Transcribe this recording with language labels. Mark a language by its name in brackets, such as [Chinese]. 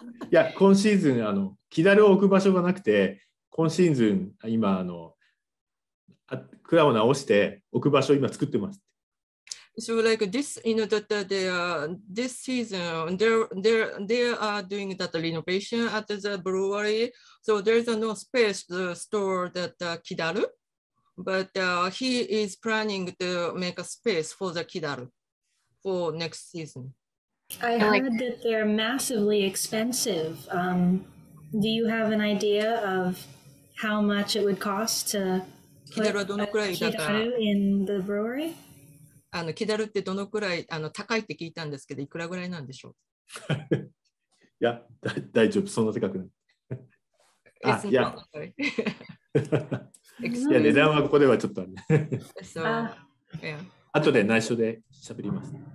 [Japanese] いや、今シーズン、木だるを置く場所がなくて、今シーズン、今、蔵を直して、置く場所を今作ってます。 [English] So like this, you know, that this season they are doing that renovation at the brewery. So there's no space to store that kidaru, but he is planning to make a space for the kidaru for next season. I heard that they're massively expensive. Do you have an idea of how much it would cost to put a kidaru in the brewery? [Japanese] キダルってどのくらい高いって聞いたんですけど、いくらぐらいなんでしょう。いや、大丈夫、そんな高くない。あ、いや。いや、値段はここではちょっとあるね。そう。あとで内緒で喋ります。